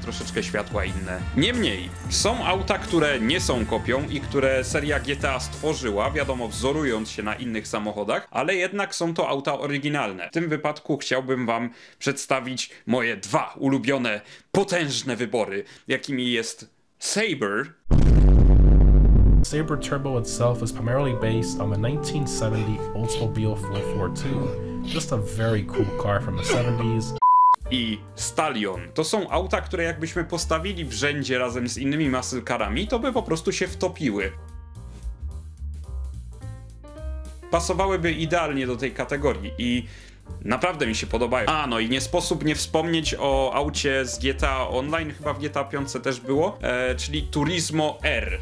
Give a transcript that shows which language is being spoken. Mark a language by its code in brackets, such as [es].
[pl] Troszeczkę światła inne. Niemniej, są auta, które nie są kopią i które seria GTA stworzyła, wiadomo, wzorując się na innych samochodach, ale jednak są to auta oryginalne. W tym wypadku chciałbym wam przedstawić moje dwa ulubione, potężne wybory, jakimi jest Sabre. [en] Sabre Turbo itself is primarily based on the 1970 Oldsmobile 442, just a very cool car from the 70s. [pl] I Stallion. To są auta, które jakbyśmy postawili w rzędzie razem z innymi muscle carami, to by po prostu się wtopiły. Pasowałyby idealnie do tej kategorii i Naprawdę mi się podobają. A, no i nie sposób nie wspomnieć o aucie z GTA Online, chyba w GTA 5 też było, czyli Turismo R.